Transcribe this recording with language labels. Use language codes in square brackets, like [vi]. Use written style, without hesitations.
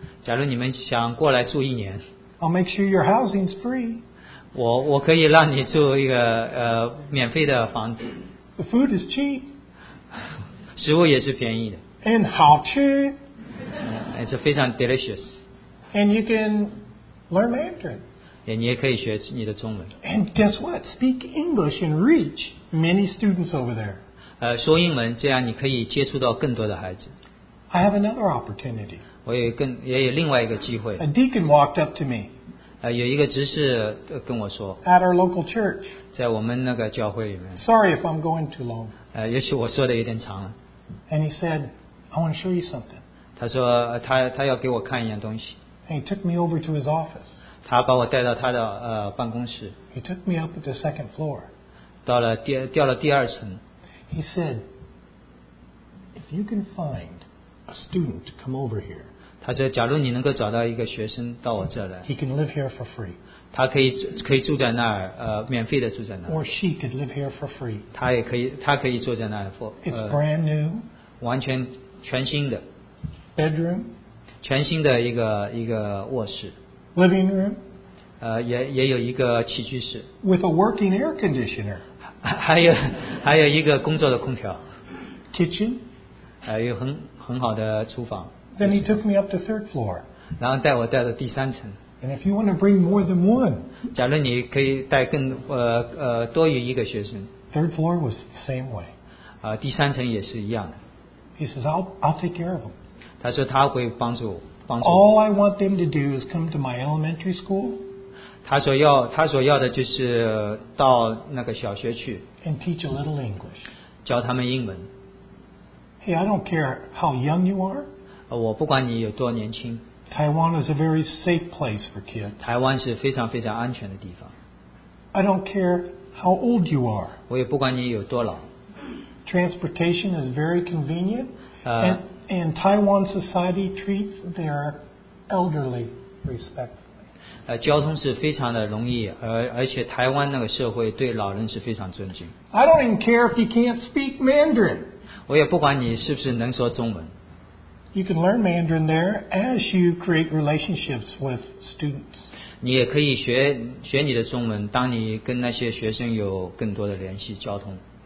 [zh] 假如你们想过来住一年 [en] ，I'll make sure your housing's free. [zh] 我可以让你住一个免费的房子。 [en] The food is cheap. [zh] 食物也是便宜的。 And 好吃。 [en] It's [zh] 非常 [en] delicious. And you can learn Mandarin. [zh] 你也可以学你的中文。 [en] And guess what? Speak English and reach many students over there. [zh] 说英文，这样你可以接触到更多的孩子。 [en] I have another opportunity. [zh] 我也有另外一个机会。 [en] A deacon walked up to me. [zh] 有一个执事跟我说。 [en] At our local church. [zh] 在我们那个教会里面。 [en] Sorry if I'm going too long. [zh] 也许我说的有点长了。 [en] And he said, I want to show you something. [zh] 他说他要给我看一样东西。 [en] And he took me over to his office. [zh] 他把我带到他的办公室。 [en] He took me up to the second floor. [zh] 掉了第二层。 [en] He said, if you can find. A student to come over here. [zh] 他说，假如你能够找到一个学生到我这来 [en] ，He can live here for free. [zh] 他可以住在那儿，免费的住在那儿。 [en] Or she could live here for free. [zh] 他可以住在那儿 for. [en] It's brand new. [zh] 完全全新的。 [en] Bedroom. [zh] 全新的一个卧室。 [en] Living room. [zh] 也有一个起居室。 [en] With a working air conditioner. [zh] 还有一个工作的空调。 [en] Kitchen. [zh] 有很。很好的厨房。 [en] Then he took me up to third floor. [zh] 然后带我带到第三层。 [en] And if you want to bring more than one, [zh] 假如你可以带更多于一个学生。 [en] Third floor was the same way. [zh] 第三层也是一样的。 [en] He says, I'll take care of them. [zh] 他说他会帮助。 [en] All I want them to do is come to my elementary school. [zh] 他所要的就是到那个小学去。 [en] And teach a little English. [zh] 教他们英文。 [en] Hey, I don't care how young you are. [zh] 我不管你有多年轻。 [en] Taiwan is a very safe place for kids. [zh] 台湾是非常非常安全的地方。 [en] I don't care how old you are. [zh] 我也不管你有多老。 [en] Transportation is very convenient. And Taiwan society treats their elderly respectfully. [zh] 交通是非常的容易，而且台湾那个社会对老人是非常尊敬。 [en] I don't even care if you can't speak Mandarin. [zh] 我也不管你是不是能说中文。 [en] You can learn Mandarin there as you create relationships with students. [zh] 你也可以学你的中文，当你跟那些学生有更多的联系交通。